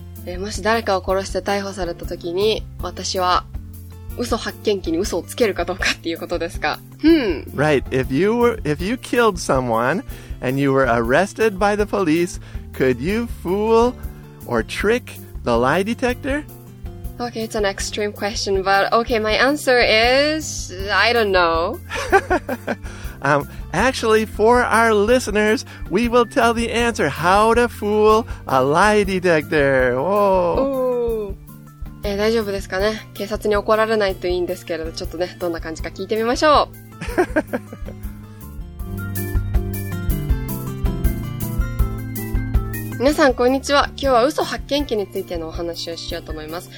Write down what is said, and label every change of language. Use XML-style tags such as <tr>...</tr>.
<ja>もし誰かを殺して逮捕された時に、私は嘘発見器に嘘をつけるかどうかっていうことですか。</ja> <en>Right. If you killed someone and you were arrested by the police, could you fool or trick the lie detector? Okay, it's an extreme question, but okay, my answer is I don't know. Actually, for our listeners, we will tell the answer how to fool a lie detector. Whoa.</en> <ja>Ooh. 大丈夫ですかね。警察に怒られないといいんですけれど、ちょっとね、どんな感じか聞いてみましょう。皆さんこんにちは。今日は嘘発見器についてのお話をしようと思います。</ja>